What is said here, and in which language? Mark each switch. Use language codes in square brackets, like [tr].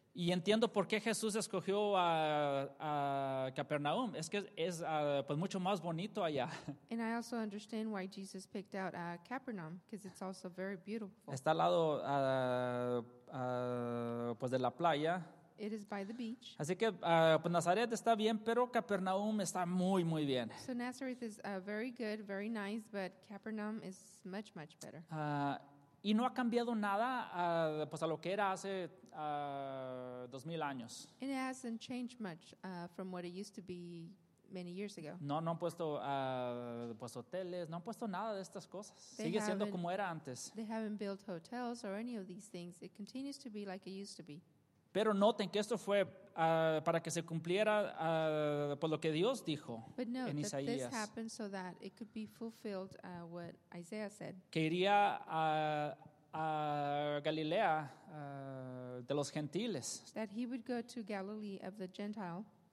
[es] Y entiendo por qué Jesús escogió a Capernaum. Es que es pues mucho más bonito allá. [en] And I also understand why Jesus picked out Capernaum, because it's also very beautiful. [es] Está al lado pues de la playa. [en] It is by the beach. [es] Así que pues Nazaret está bien, pero Capernaum está muy, muy bien. [en] So Nazareth is very good, very nice, but Capernaum is much, much better. [es] Y no ha cambiado nada pues a lo que era hace 2,000 años. [en] It hasn't changed much from what it used to be many years ago. [es] No han puesto pues hoteles, no han puesto nada de estas cosas. Sigue siendo como era antes. [en] They haven't built hotels or any of these things. It continues to be like it used to be. [es] Pero noten que esto fue para que se cumpliera por lo que Dios dijo en Isaías. [en] This happened so that it could be fulfilled what Isaiah said. [es] Que iría a Galilea de los gentiles. [en] That he would go to Galilee of the Gentile.